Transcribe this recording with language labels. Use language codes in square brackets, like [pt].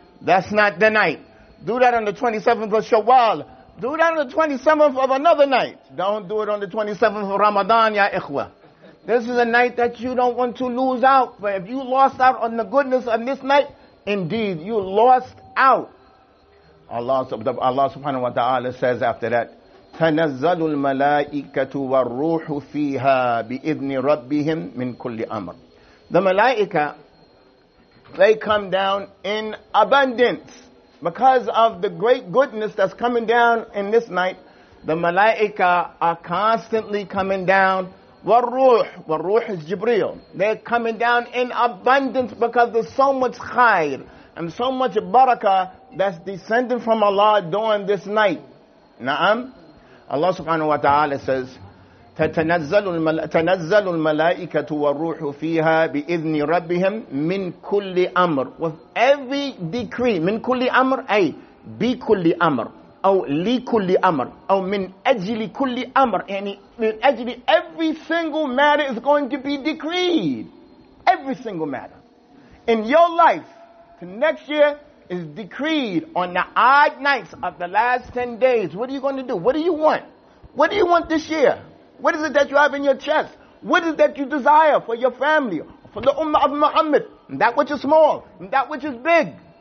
[en] That's not the night. Do that on the 27th of Shawwal. Do that on the 27th of another night. Don't do it on the 27th of Ramadan, ya ikhwa. This is a night that you don't want to lose out. But if you lost out on the goodness of this night, indeed, you lost out. Allah subhanahu wa ta'ala says after that, [ar] تَنَزَّلُ الْمَلَائِكَةُ وَالرُّوحُ فِيهَا بِإِذْنِ رَبِّهِمْ مِنْ كُلِّ أَمْرٍ. [en] The malaika, they come down in abundance. Because of the great goodness that's coming down in this night, the malaika are constantly coming down. Wal-ruh is Jibreel. They're coming down in abundance because there's so much khair and so much barakah that's descending from Allah during this night. [ar] Na'am? [en] Allah subhanahu wa ta'ala says, [ar] تَتَنَزَّلُ الْمَلَائِكَةُ وَالرُّوحُ فِيهَا بِإِذْنِ رَبِّهِمْ مِنْ كُلِّ أَمْرٍ, [en] with every decree, [ar] مِنْ كُلِّ أَمْرٍ, أي بِكُلِّ أَمْرٍ, أو لِكُلِّ أَمْرٍ, أو مِنْ أَجْلِ كُلِّ أَمْرٍ, يعني مِنْ أَجْلِ, [en] every single matter is going to be decreed. Every single matter. In your life, the next year is decreed on the odd nights of the last 10 days. What are you going to do? What do you want? What do you want this year? What is it that you have in your chest? What is it that you desire for your family, for the Ummah of Muhammad, that which is small, that which is big?